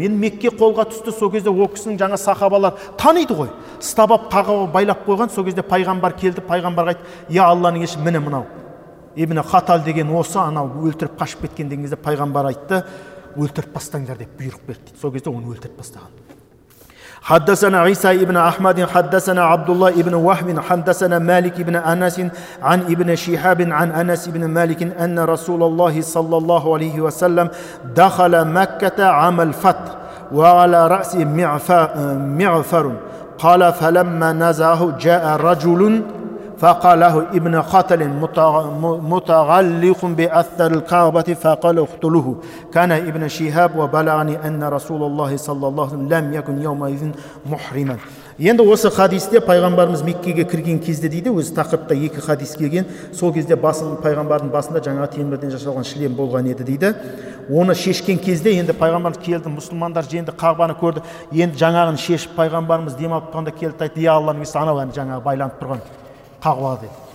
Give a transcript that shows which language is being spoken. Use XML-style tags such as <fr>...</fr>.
<kk>Мен Мекке қолға түсті, сол кезде ол кісінің жаңа сахабалар таниды ғой. Стабап тағы байлап қойған, сол кезде пайғамбар келді, пайғамбарға айтты: "Я Алланың еші, міне мынау. Ибн Хатал деген осы анау өлтіріп қашып кеткен деген кезде пайғамбар айтты, өлтіріп бастаңдар деп бұйрық берді. Сол кезде оны өлтіріп бастаған.</kk> <ar>حدثنا عيسى ابن احمد حدثنا عبد الله ابن وهب حدثنا مالك ابن انس عن ابن شهاب عن انس ابن مالك ان رسول الله صلى الله عليه وسلم دخل مكه عام الفتح وعلى راسه معفر قال فلما نزعه جاء رجل فقال له ابن خطل متغلق بأثر الكعبة فقال اقتلوه كان ابن شهاب وبلغني أن رسول الله صلى الله عليه وسلم لم يكن يومئذ محرما.</ar> <kk>Енді осы хадисте пайғамбарымыз Меккеге кірген кезде дейді, өзі тақырыпта екі хадис келген. Сол кезде басын пайғамбардың басында жаңағы темірден жасалған шілем болған еді дейді. Оны шешкен кезде енді пайғамбарымыз келді, мұсылмандар жеңді, қағбаны көрді. Енді жаңағын шешіп пайғамбарымыз демалып тұрғанда келді, айтты: "Я Алланың есі, анау ән жаңағы байланып тұрған қағуа" деді.</kk>